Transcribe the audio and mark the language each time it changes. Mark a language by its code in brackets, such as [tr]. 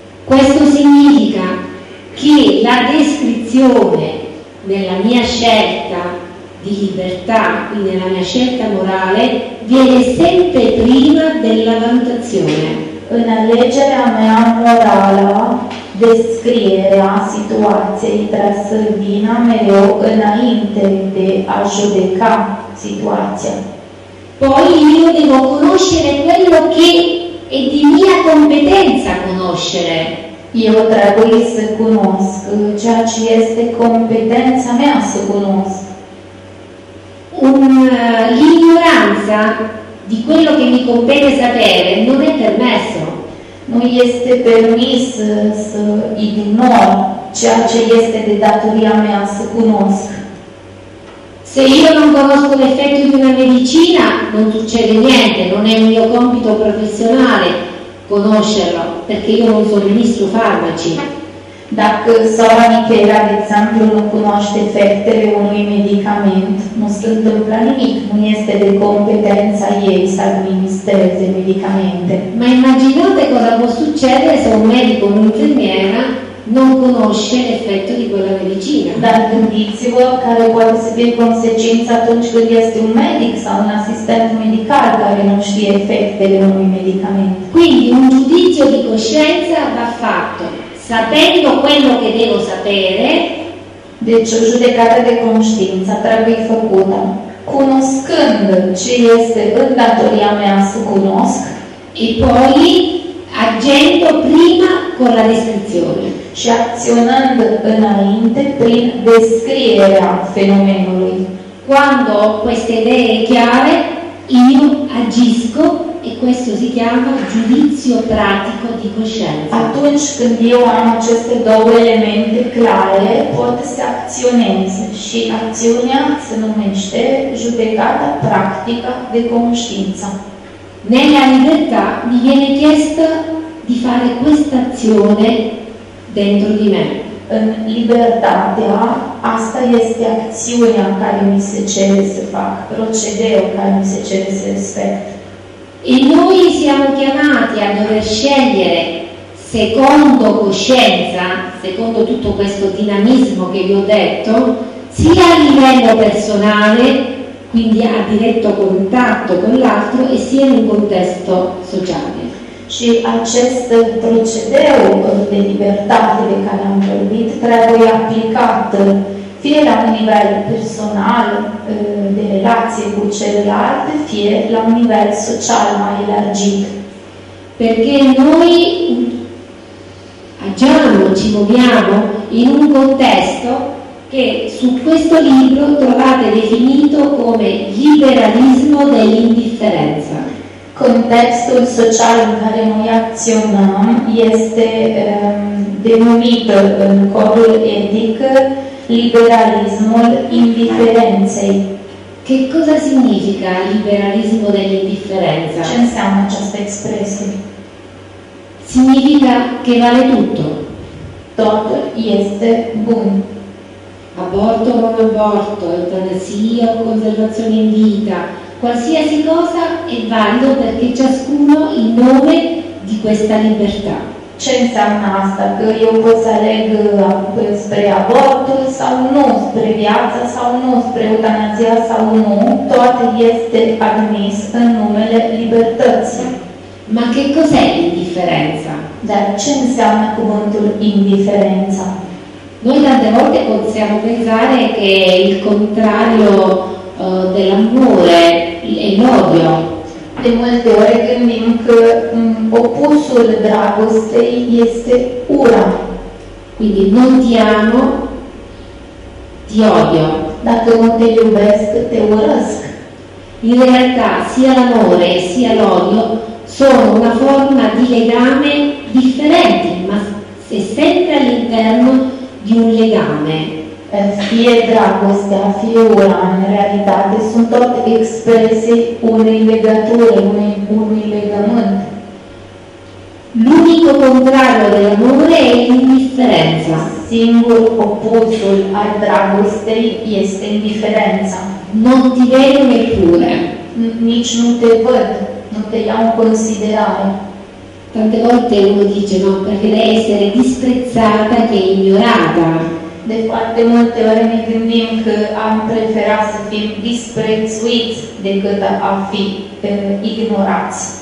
[it] Questo significa che la descrizione nella mia scelta di libertà, quindi nella mia scelta morale, viene sempre prima della valutazione. [ro] În alegerea mea morală, descrierea situației trebuie să vină mereu înainte de a judeca situația. [it] Poi io devo conoscere quello che è di mia competenza conoscere. [ro] Eu trebuie să cunosc ceea ce este competența mea să cunosc. [it] L'ignoranza di quello che mi compete sapere non è permesso. [ro] Nu este permis să ignor ceea ce este de datoria mea să cunosc. [it] Se [ro] eu nu cunosc efectul [it] de una medicină, nu succede niente, nu e un meu compito profesional cunoscerlo, perché [ro] eu nu sunt ministru [it] farmaci. [ro] Dacă sora Michela, de exemplu, nu cunoaște efectele unui medicament, nu se întâmplă nimic, nu este de competența ei să administreze medicamente. [it] Ma imaginate cosa può succedere se un medico, un'infermiera, non conosce l'effetto di quella medicina. [ro] Dar gândiți-vă care poate să fie consecința atunci când este un medic sau un asistent medical care nu știe efectele unui medicament. [it] Quindi un giudizio di coscienza va fatto. Sapendo quello che devo sapere, [ro] deci o judecată de conștiință trebuie făcută, cunoscând ce este în datoria mea să cunosc, [it] e poi agendo prima con la descrizione, [ro] și acționând înainte prin descrierea fenomenului. [it] Quando queste idee chiare, io agisco. E questo si chiama giudizio pratico di coscienza. [ro] Atunci când eu am aceste două elemente clare, pot să acționez. Și acțiunea se numește judecata practică de conștiință. [it] Nella libertà mi viene chiesto di fare questa azione dentro di me. [ro] În libertatea, asta este acțiunea care mi se cere să fac, procedeul care mi se cere să respect. [it] E noi siamo chiamati a dover scegliere secondo coscienza, secondo tutto questo dinamismo che vi ho detto, sia a livello personale, quindi a diretto contatto con l'altro, e sia in un contesto sociale. [ro] Și acest procedeu de libertate de care am vorbit trebuie aplicat fie la un nivel personal de relație cu celălalt, fie la un nivel social mai largit. [it] Perché noi agiamo, ci muoviamo in un contesto che su questo libro trovate definito come liberalismo dell'indifferenza. [ro] Contextul social în care noi acționăm este denumit în codul etic liberalismul indiferenței. [it] Che cosa significa liberalismo dell'indifferenza? [ro] Ce înseamnă această expresie? [it] Significa che vale tutto. [ro] Tot este bun. [it] Aborto o non aborto, eutanasia o conservazione in vita, qualsiasi cosa è valido perché ciascuno in nome di questa libertà. [ro] Ce înseamnă asta? Că eu pot să aleg spre abort sau nu, spre viață sau nu, spre eutanasia sau nu, tot este admis în numele libertății. [it] Ma che cos'è l'indifferenza? [ro] Dar ce înseamnă cuvântul indiferența? [it] Noi tante volte possiamo pensare che è il contrario dell'amore, è l'odio. [ro] De multe ori gândim că opusul dragostei este ura. [it] Quindi non ti amo, ti odio. [ro] Dacă nu te iubesc, te urăsc. [it] In realtà sia l'amore sia l'odio sono una forma di legame differente, ma se sempre all'interno di un legame. [ro] Fie dragostea, fie ura, în realitate, sunt tot expresii unei legături, unui legământ. [it] L'unico contrario dell'amore è l'indifferenza. [ro] Singur opusul al dragostei este indiferența. [it] Non ti vedo neppure. [ro] Nici nu te văd, nu te iau în considerare. [it] Tante volte uno dice, no, preferirei essere disprezzata che ignorata. [ro] De foarte multe ori ne gândim că am preferat să fim disprețuiți decât a fi ignorați.